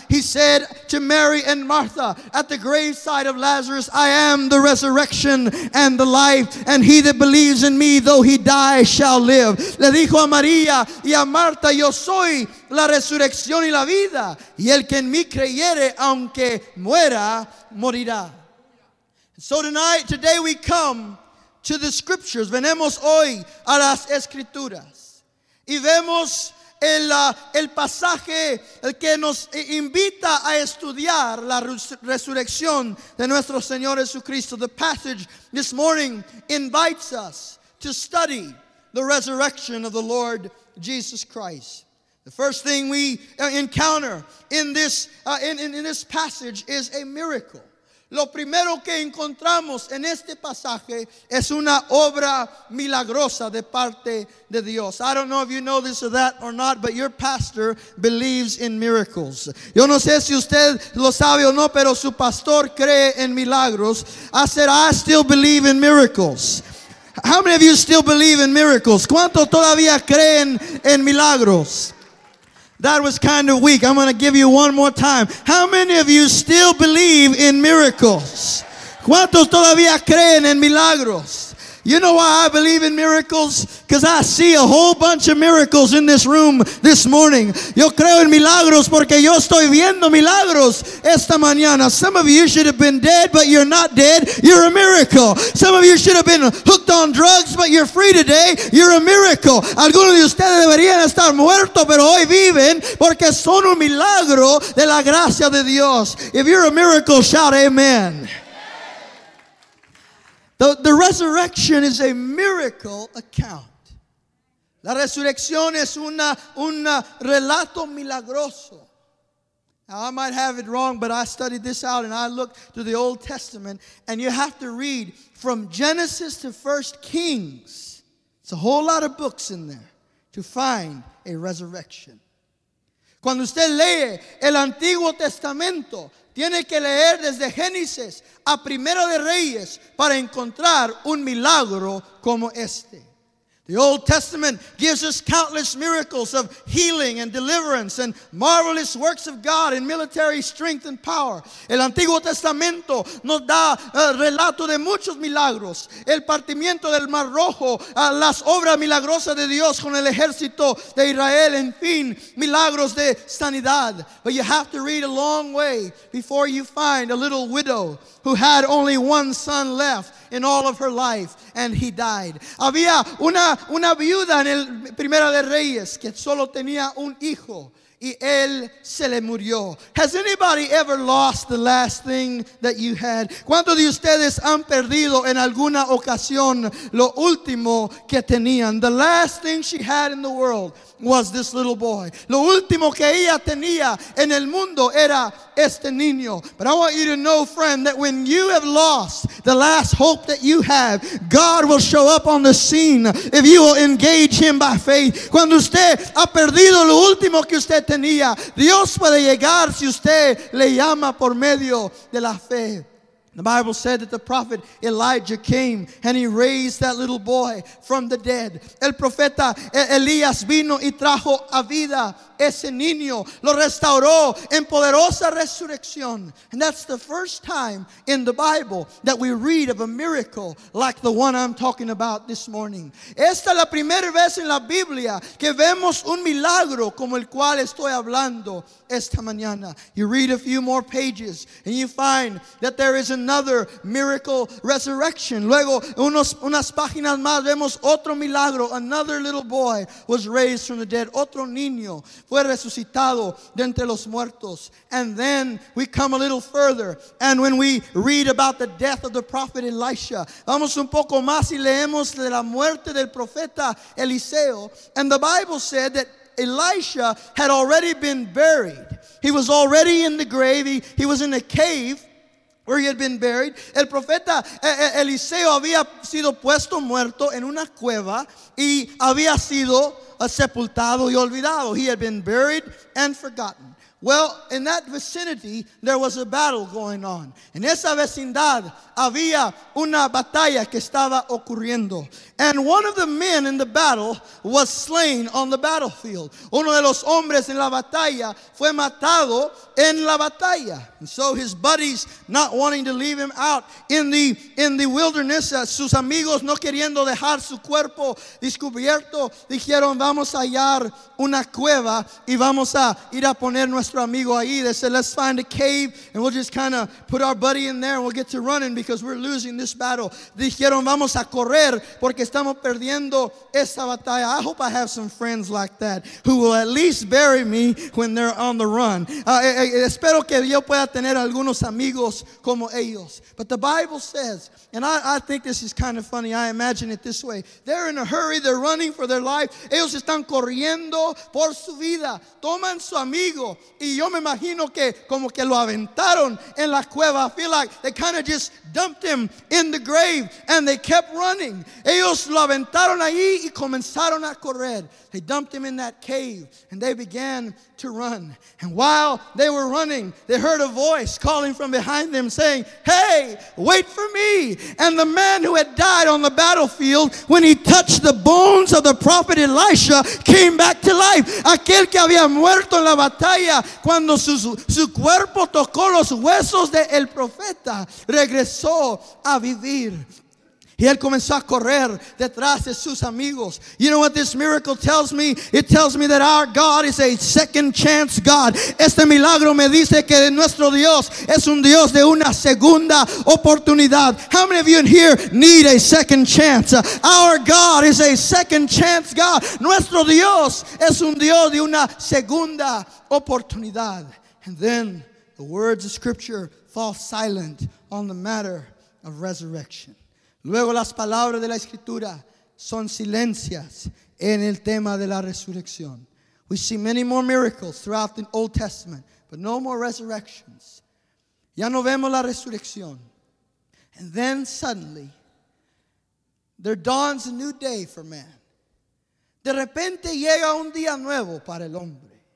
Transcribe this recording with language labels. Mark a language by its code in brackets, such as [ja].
[en] He said to Mary and Martha at the graveside of Lazarus, I am the resurrection and the life, and he that believes in me, though he die, shall live. [es] Le dijo a María y a Marta, yo soy la resurrección y la vida, y el que en mí creyere, aunque muera, morirá. [en] So tonight, today we come to the scriptures. [es] Venemos hoy a las escrituras. Y vemos el pasaje que nos invita a estudiar la resurrección de nuestro Señor Jesucristo. [en] The passage this morning invites us to study the resurrection of the Lord Jesus Christ. The first thing we encounter in this passage is a miracle. [es] Lo primero que encontramos en este pasaje es una obra milagrosa de parte de Dios. [en] I don't know if you know this or that or not, but your pastor believes in miracles. [es] Yo no sé si usted lo sabe o no, pero su pastor cree en milagros. [en] I said, I still believe in miracles. How many of you still believe in miracles? [es] ¿Cuántos todavía creen en milagros? [en] That was kind of weak. I'm going to give you one more time. How many of you still believe in miracles? [es] ¿Cuántos todavía creen en milagros? [en] You know why I believe in miracles? Because I see a whole bunch of miracles in this room this morning. [es] Yo creo en milagros porque yo estoy viendo milagros esta mañana. [en] Some of you should have been dead, but you're not dead. You're a miracle. Some of you should have been hooked on drugs, but you're free today. You're a miracle. [es] Algunos de ustedes deberían estar muertos, pero hoy viven porque son un milagro de la gracia de Dios. [en] If you're a miracle, shout amen. The resurrection is a miracle account. [es] La resurrección es un relato milagroso. [en] Now, I might have it wrong, but I studied this out and I looked to the Old Testament, and you have to read from Genesis to 1 Kings. It's a whole lot of books in there to find a resurrection. [es] Cuando usted lee el Antiguo Testamento, tiene que leer desde Génesis a Primera de Reyes para encontrar un milagro como este. [en] The Old Testament gives us countless miracles of healing and deliverance and marvelous works of God in military strength and power. [es] El Antiguo Testamento nos da relato de muchos milagros. El partimiento del Mar Rojo, las obras milagrosas de Dios con el ejército de Israel, en fin, milagros de sanidad. [en] But you have to read a long way before you find a little widow who had only one son left in all of her life, and he died. [es] Había una viuda en el Primera de Reyes que solo tenía un hijo, y él se le murió. [en] Has anybody ever lost the last thing that you had? [es] ¿Cuántos de ustedes han perdido en alguna ocasión lo último que tenían? [en] The last thing she had in the world was this little boy. [es] Lo último que ella tenía en el mundo era este niño. [en] But I want you to know, friend, that when you have lost the last hope that you have, God will show up on the scene if you will engage him by faith. [es] Cuando usted ha perdido lo último que usted tenía, Dios puede llegar si usted le llama por medio de la fe. [en] The Bible said that the prophet Elijah came and he raised that little boy from the dead. [es] El profeta Elías vino y trajo a vida ese niño. Lo restauró en poderosa resurrección. [en] And that's the first time in the Bible that we read of a miracle like the one I'm talking about this morning. [es] Esta es la primera vez en la Biblia que vemos un milagro como el cual estoy hablando esta mañana. [en] You read a few more pages and you find that there is another miracle resurrection. [es] Luego, unas páginas más, vemos otro milagro. [en] Another little boy was raised from the dead. [es] Otro niño fue resucitado de entre los muertos. [en] And then we come a little further. And when we read about the death of the prophet Elisha, [es] vamos un poco más y leemos de la muerte del profeta Eliseo. [en] And the Bible said that Elisha had already been buried. He was already in the grave. He was in a cave where he had been buried. [es] El profeta Eliseo había sido puesto muerto en una cueva y había sido sepultado y olvidado. [en] He had been buried and forgotten. Well, in that vicinity, there was a battle going on. [es] En esa vecindad, había una batalla que estaba ocurriendo. [en] And one of the men in the battle was slain on the battlefield. [es] Uno de los hombres en la batalla fue matado en la batalla. [en] And so his buddies, not wanting to leave him out in the wilderness, [es] sus amigos no queriendo dejar su cuerpo descubierto, dijeron, vamos a hallar una cueva y vamos a ir a poner nuestro amigo ahí. [en] They said, let's find a cave and we'll just kind of put our buddy in there and we'll get to running because we're losing this battle. [es] Dijeron, vamos a correr porque estamos perdiendo esta batalla. [en] I hope I have some friends like that who will at least bury me when they're on the run. [es] Espero que yo pueda tener algunos amigos como ellos. [en] But the Bible says, and I think this is kind of funny. I imagine it this way. They're in a hurry. They're running for their life. [es] Ellos están corriendo por su vida. Toman su amigo. Y yo me imagino que como que lo aventaron en la cueva. [en] I feel like they kind of just dumped him in the grave and they kept running. [es] Ellos lo aventaron ahí y comenzaron a correr. [en] They dumped him in that cave and they began to run. And while they were running, they heard a voice calling from behind them saying, hey, wait for me. And the man who had died on the battlefield, when he touched the bones of the prophet Elisha, came back to life. [es] Aquel que había muerto en la batalla, cuando su cuerpo tocó los huesos de el profeta, regresó a vivir. Y él comenzó a correr detrás de sus amigos. [en] You know what this miracle tells me? It tells me that our God is a second chance God. [es] Este milagro me dice que nuestro Dios es un Dios de una segunda oportunidad. [en] How many of you in here need a second chance? Our God is a second chance God. [es] Nuestro Dios es un Dios de una segunda oportunidad. [en] And then the words of scripture fall silent on the matter of resurrection. [es] Luego las palabras de la escritura son silencias en el tema de la resurrección. [en] We see many more miracles throughout the Old Testament, but no more resurrections. [es] Ya no vemos la resurrección. [en] And then suddenly, there dawns a new day for man. [es] De repente llega un día nuevo para el hombre.